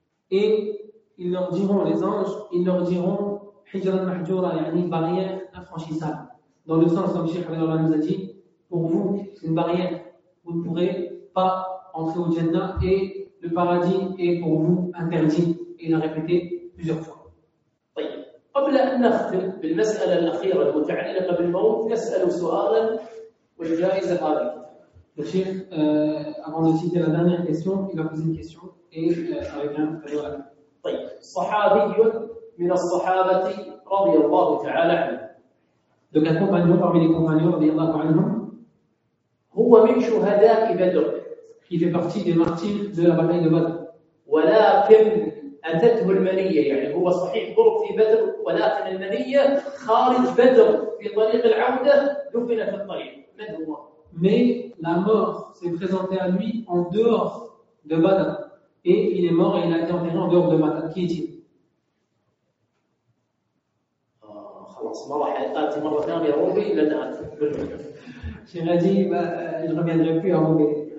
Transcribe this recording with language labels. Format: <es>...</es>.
<fr>Et ils leur diront, les anges, ils leur diront,</fr> <ar>Hijran mahjura, yani</ar> <fr>barrière infranchissable. Dans le sens, comme Cheikh Abdallah nous a dit, pour vous, c'est une barrière. Vous ne pourrez pas entrer au Jannah et le paradis est pour vous interdit. Et il a répété plusieurs fois.</fr> <ar>قبل أن نختم بالمسألة الأخيرة المتعلقة بالموت نسأل سؤالاً والجائزة هذه.</ar> <fr>Le Cheikh, avant de citer la dernière question, il va poser une question et avec un peu de</fr> <ar>صحابي من الصحابة رضي الله تعالى عنه.</ar> <fr>Donc un compagnon parmi les compagnons رضي الله عنه.</fr> <ar>هو من شهداء بدر.</ar> <fr>Il fait partie des martyrs de la bataille de Badr.</fr> <ar>ولكن أتته المنية، يعني هو صحيح قرب في بدر ولكن المنية خارج بدر في طريق العودة دفن في الطريق. من هو؟</ar> <fr>Mais la mort s'est présentée à lui en dehors de Badr. Et il est mort et il a été enterré en dehors de Badr. Qui est-il ? J'ai dit, bah, je ne reviendrai plus à Roubaix.</fr>